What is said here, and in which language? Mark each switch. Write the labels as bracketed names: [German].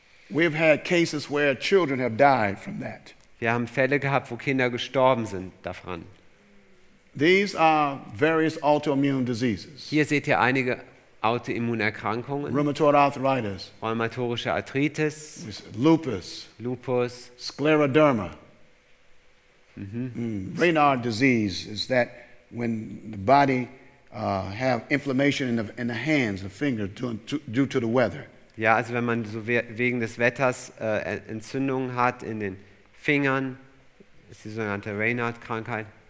[English] We've had cases where children have died from that. Wir haben Fälle gehabt, wo Kinder gestorben sind davon. These are various autoimmune diseases. [German] Hier seht ihr einige Autoimmunerkrankungen. [English] Rheumatoid arthritis. [German] Rheumatorische Arthritis. [English] Lupus. Scleroderma. Mm-hmm. Raynaud disease is that when the body have inflammation in the hands, the fingers due to the weather. [German] Ja, also wenn man so wegen des Wetters Entzündungen hat in den Fingern, ist die sogenannte Raynaud Krankheit.